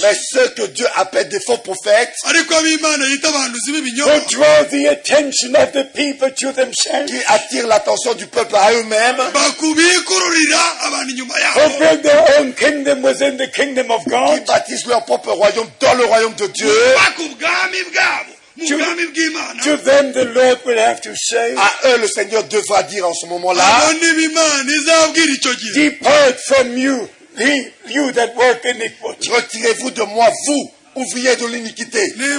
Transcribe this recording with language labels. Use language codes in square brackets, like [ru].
[fr] mais ceux que Dieu appelle des faux prophètes, [en] who draw the attention of the people to themselves, [fr] qui attirent l'attention du peuple à eux-mêmes, [en] who bring their own kingdom within the kingdom of God, [fr] qui baptisent leur propre royaume dans le royaume de Dieu, [en] To them the Lord will have to say, [fr] à eux le Seigneur devra dire en ce moment-là, [en] depart from you that work iniquity. [fr] Retirez-vous de moi, vous, ouvriers de l'iniquité.